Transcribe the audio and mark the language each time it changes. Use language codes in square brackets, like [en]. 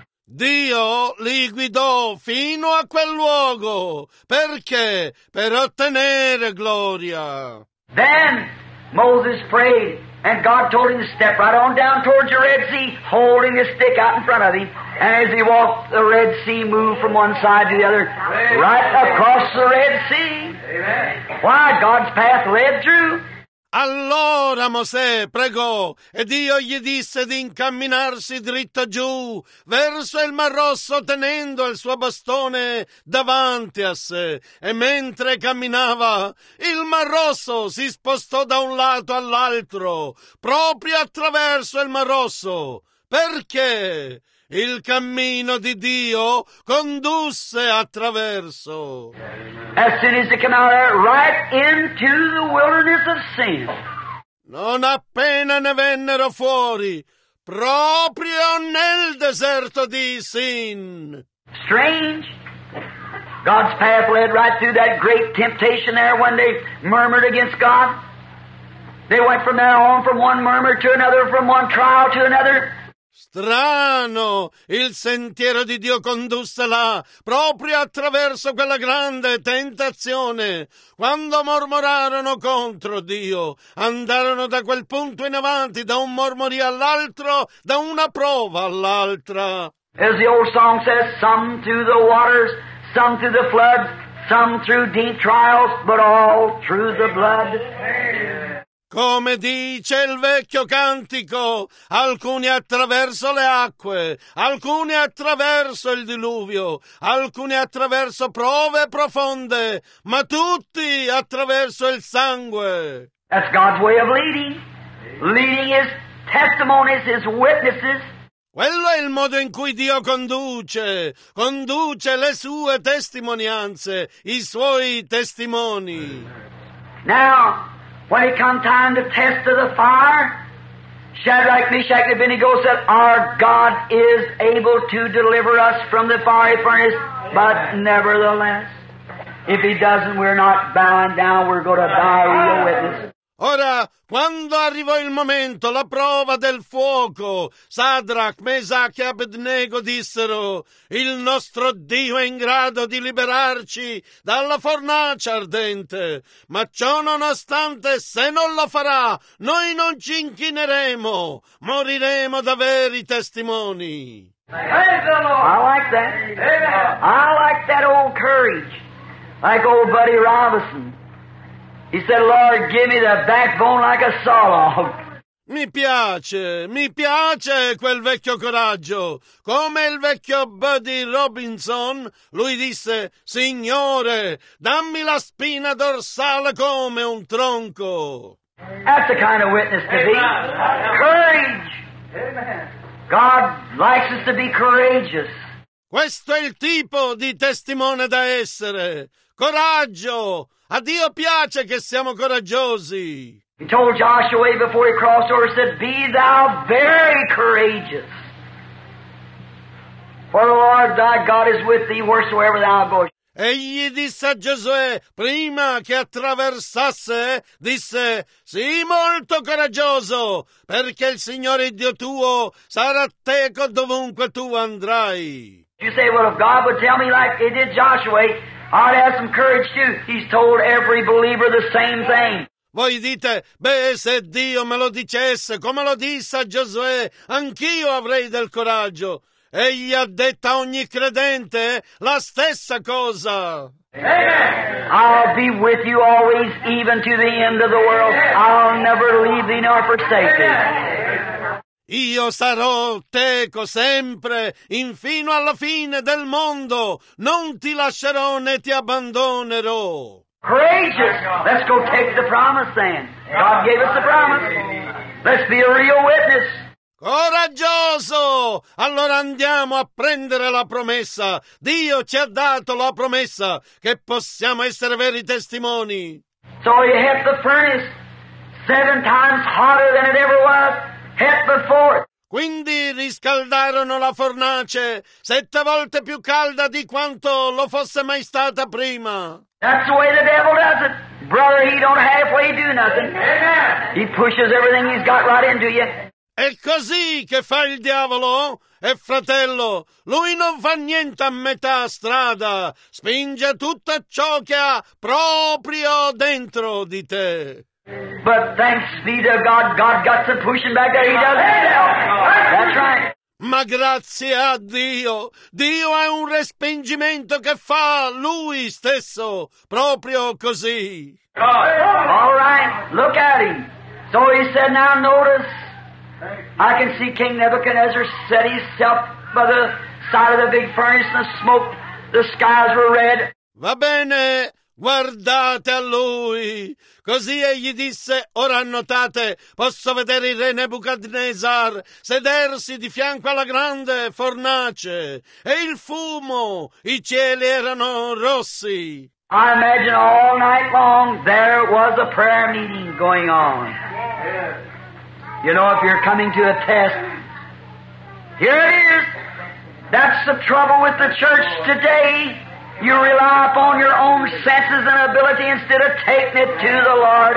[it] Dio li guidò fino a quel luogo. Perché? Per ottenere gloria. [en] Then Moses prayed, and God told him to step right on down towards the Red Sea, holding his stick out in front of him. And as he walked, the Red Sea moved from one side to the other, right across the Red Sea. Why? God's path led through. [it] Allora Mosè pregò, e Dio gli disse di incamminarsi dritto giù, verso il Mar Rosso, tenendo il suo bastone davanti a sé. E mentre camminava, il Mar Rosso si spostò da un lato all'altro, proprio attraverso il Mar Rosso. Perché? Il cammino di Dio condusse attraverso. [en] As soon as they come out there, right into the wilderness of sin. [it] Non appena ne vennero fuori, proprio nel deserto di sin. [en] Strange. God's path led right through that great temptation there when they murmured against God. They went from there on from one murmur to another, from one trial to another. [it] Strano, il sentiero di Dio condusse là, proprio attraverso quella grande tentazione. Quando mormorarono contro Dio, andarono da quel punto in avanti, da un mormorio all'altro, da una prova all'altra. [en] As the old song says, some through the waters, some through the floods, some through deep trials, but all through the blood. [it] Come dice il vecchio cantico, alcuni attraverso le acque, alcuni attraverso il diluvio, alcuni attraverso prove profonde, ma tutti attraverso il sangue. [en] That's God's way of leading. Leading his testimonies, his witnesses. [it] Quello è il modo in cui Dio conduce. Conduce le sue testimonianze, i suoi testimoni. [en] Now, when it comes time to test of the fire, Shadrach, Meshach, and Abednego said, our God is able to deliver us from the fiery furnace, but nevertheless, if he doesn't, we're not bowing down, we're going to die real witnesses. [it] Ora, quando arrivò il momento, la prova del fuoco, Shadrach, Meshach e Abednego dissero, il nostro Dio è in grado di liberarci dalla fornace ardente, ma ciò nonostante, se non lo farà, noi non ci inchineremo, moriremo da veri testimoni. [en] I like that. I like that old courage, like old Buddy Robinson. He said, Lord, give me the backbone like a saw log. [it] Mi piace quel vecchio coraggio. Come il vecchio Buddy Robinson, lui disse, Signore, dammi la spina dorsale come un tronco. [en] That's the kind of witness to be. Courage. God likes us to be courageous. [it] Questo è il tipo di testimone da essere. Coraggio. A Dio piace che siamo coraggiosi. [en] He told Joshua before he crossed over, said, be thou very courageous. For the Lord thy God is with thee wheresoever thou goest. [it] Egli disse a Giosuè, prima che attraversasse, disse, sii molto coraggioso, perché il Signore Dio tuo sarà teco dovunque tu andrai. [en] You say, well, if God would tell me like he did Joshua, I'd have some courage too. He's told every believer the same thing. [it] Voi dite, beh, se Dio me lo dicesse, come lo disse a Giosuè, anch'io avrei del coraggio. Egli ha detto a ogni credente la stessa cosa. [en] I'll be with you always, even to the end of the world. I'll never leave thee nor forsake thee. [it] Io sarò teco sempre, infino alla fine del mondo. Non ti lascerò né ti abbandonerò. [en] Courageous! Let's go take the promise then. God gave us the promise. Let's be a real witness. [it] Coraggioso! Allora andiamo a prendere la promessa. Dio ci ha dato la promessa che possiamo essere veri testimoni. [en] So he hit the furnace 7 times hotter than it ever was. [it] Quindi riscaldarono la fornace 7 volte più calda di quanto lo fosse mai stata prima. [en] That's the way the devil does it. Brother, he don't halfway do nothing. He pushes everything he's got right into you. [it] È così che fa il diavolo? E fratello, lui non fa niente a metà strada. Spinge tutto ciò che ha proprio dentro di te. [en] But thanks be to God, God got some pushing back there. He does. That's right. [it] Ma grazie a Dio, Dio ha un respingimento che fa lui stesso, proprio così. [en] All right, look at him. So he said, now notice, I can see King Nebuchadnezzar set himself by the side of the big furnace and the smoke, the skies were red. [it] Va bene. Guardate a lui. Così egli disse, ora notate, posso vedere il re Nebuchadnezzar sedersi di fianco alla grande fornace e il fumo, i cieli erano rossi. [en] I imagine all night long there was a prayer meeting going on. You know, if you're coming to a test, here it is. That's the trouble with the church today. You rely upon your own senses and ability instead of taking it to the Lord.